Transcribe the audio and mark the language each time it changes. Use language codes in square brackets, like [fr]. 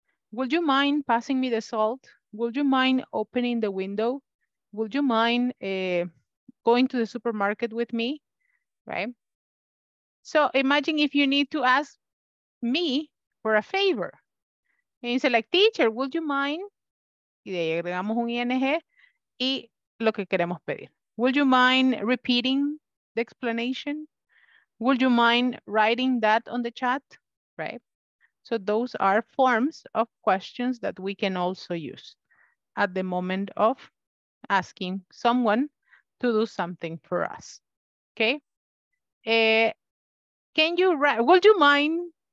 [en] Would you mind passing me the salt? Would you mind opening the window? Would you mind going to the supermarket with me, right? So imagine if you need to ask me for a favor. And you say like, teacher, would you mind? [es] Y de ahí agregamos un ING y lo que queremos pedir. [en] Would you mind repeating the explanation? Would you mind writing that on the chat, right? So those are forms of questions that we can also use at the moment of asking someone to do something for us, okay? Can you write, would you mind